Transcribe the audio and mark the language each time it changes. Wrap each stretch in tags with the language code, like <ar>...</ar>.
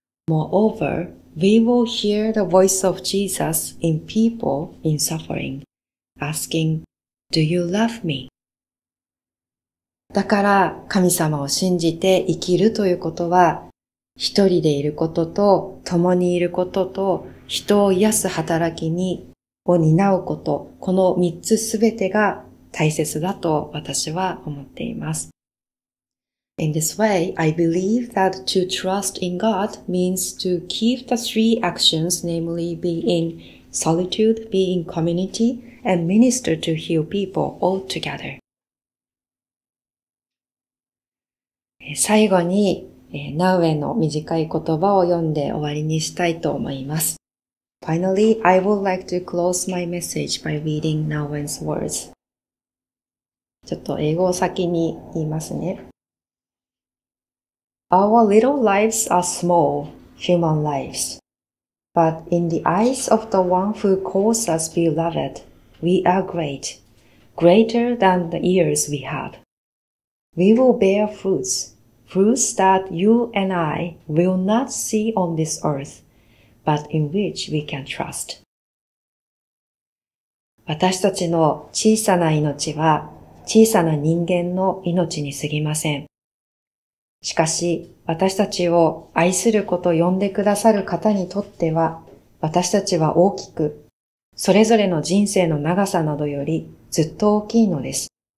<en>Moreover, we will hear the voice of Jesus in people in suffering, asking, Do you love me?</en> <ja>だから神様を信じて生きるということは、一人でいることと共にいることと人を癒す働きにを担うこと、この三つすべてが大切だと私は思っています。</ja> <en>In this way, I believe that to trust in God means to keep the three actions, namely be in solitude, be in community, and minister to heal people all together.</en> <ja>最後に、ナウエの短い言葉を読んで終わりにしたいと思います。</ja> <en>Finally, I would like to close my message by reading Nawen's words.</en> <ja>ちょっと英語を先に言いますね。</ja> <en>Our little lives are small, human lives. But in the eyes of the one who calls us beloved, we are great, greater than the years we have. We will bear fruits, fruits that you and I will not see on this earth. But in which we can trust.</en> <ja>私たちの小さな命は小さな人間の命に過ぎません。しかし、私たちを愛する子と呼んでくださる方にとっては、私たちは大きく、それぞれの人生の長さなどよりずっと大きいのです。</ja>